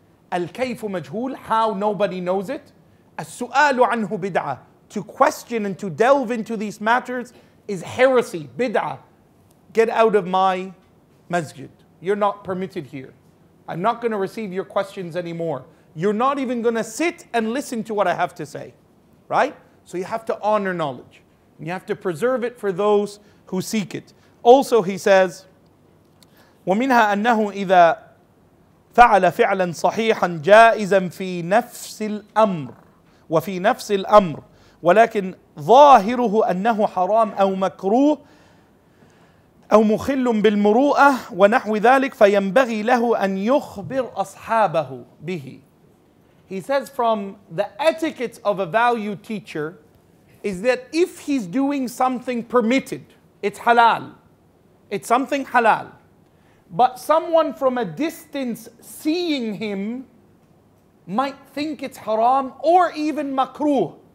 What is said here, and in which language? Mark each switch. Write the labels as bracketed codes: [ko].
[ar] Al-kayfu majhul, [en] how nobody knows it. [ar] As-su'alu anhu bid'ah, [en] to question and to delve into these matters is heresy, bid'ah. Get out of my masjid. You're not permitted here. I'm not going to receive your questions anymore. You're not even going to sit and listen to what I have to say. Right? So you have to honor knowledge. And you have to preserve it for those who seek it. [ar] Also he says, وَمِنْهَا أَنَّهُ إِذَا فعل فعلا صحيحا جائزا في نفس الأمر وفي نفس الأمر ولكن ظاهره أنه حرام أو مكروه أو مخل بالمروءة ونحو ذلك فينبغي له أن يخبر أصحابه به. [en] He says from the etiquette of a valued teacher is that if he's doing something permitted, it's halal, it's something halal, but someone from a distance seeing him might think it's haram or even makruh.